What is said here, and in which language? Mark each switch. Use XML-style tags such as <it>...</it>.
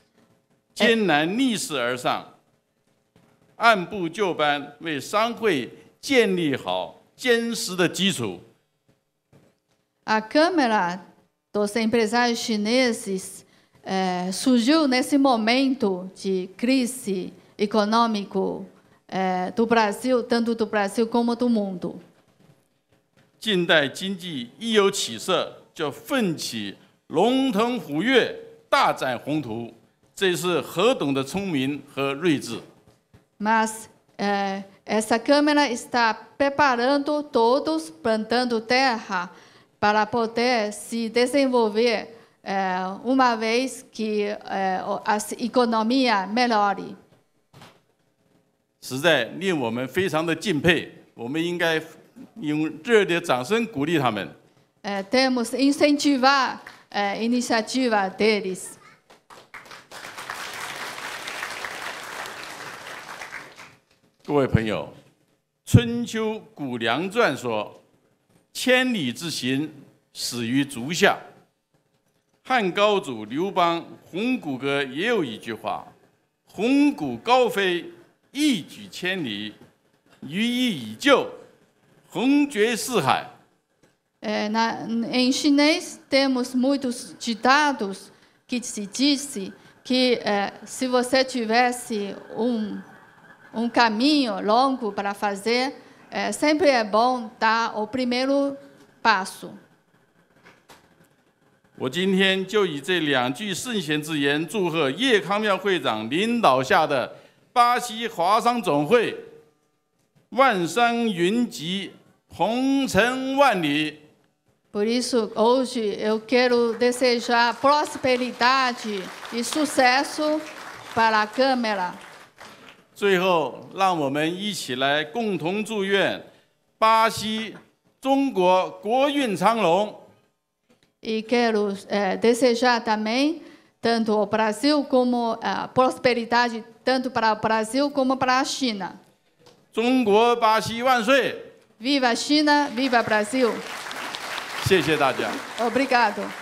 <zh>各位朋友，巴西华商总会在国际和巴西经济下滑低迷、走在谷底困境的时候，艰难逆势而上。按部就班，为商会建立好坚实的基础。</zh> <pt>A Câmara dos Empresários Chineses surgiu nesse momento de crise econômica do Brasil, tanto do Brasil como do mundo.</pt> <zh>近代经济一有起色，就奋起龙腾虎跃，大展宏图。这是何等的聪明和睿智。</zh> <pt>Mas essa câmera está preparando todos plantando terra para poder se desenvolver uma vez que a economia melhore.</pt> <zh>实在令我们非常的敬佩，我们应该用热烈的掌声鼓励他们。</zh> <pt>Temos incentivar a iniciativa deles.</pt> <zh>各位朋友，《春秋谷梁传》说：“千里之行，始于足下。” 汉高祖刘邦《鸿鹄歌》也有一句话：“鸿鹄高飞，一举千里；羽翼已就，横绝四海。”</zh> <pt>Em chinês temos muitos ditados que se disse que se você tivesse um caminho longo para fazer, sempre é bom dar o primeiro passo.</pt> <zh>我今天就以这两句圣贤之言祝贺叶康庙会长领导下的巴西华商总会，万山云集，红尘万里。</zh> <pt>Por isso, hoje eu quero desejar prosperidade e sucesso para a Câmara.</pt> <zh>最后，让我们一起来共同祝愿巴西、中国国运昌隆。</zh> <pt>E quero desejar também tanto o Brasil como prosperidade tanto para o Brasil como para a China.</pt> <zh>中国巴西万岁</zh> <pt>！Viva China, viva Brasil！</pt> <zh>谢谢大家。</zh> <pt>Obrigado.</pt>